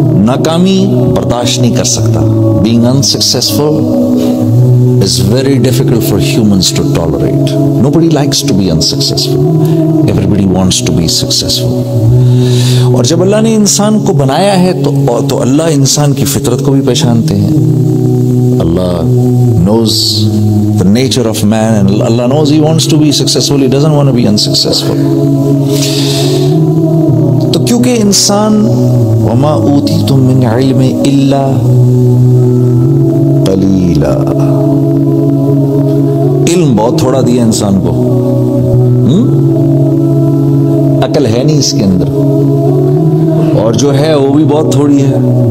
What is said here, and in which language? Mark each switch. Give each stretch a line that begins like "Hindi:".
Urdu: ناکامی برداشت نہیں کر سکتا.
English: Being unsuccessful is very difficult for humans to tolerate. Nobody likes to be unsuccessful. Everybody wants to be successful.
Urdu: اور جب اللہ نے انسان کو بنایا ہے تو اللہ انسان کی فطرت کو بھی پہچانتے ہیں.
English: Allah knows the nature of man and Allah knows he wants to be successful. He doesn't want to be unsuccessful.
Urdu: تو کیونکہ انسان
Arabic: وما اوتیتم من علم الا قلیلا,
Urdu: علم بہت تھوڑا دیا انسان کو, عقل ہے نہیں اس کے اندر, اور جو ہے وہ بھی بہت تھوڑی ہے.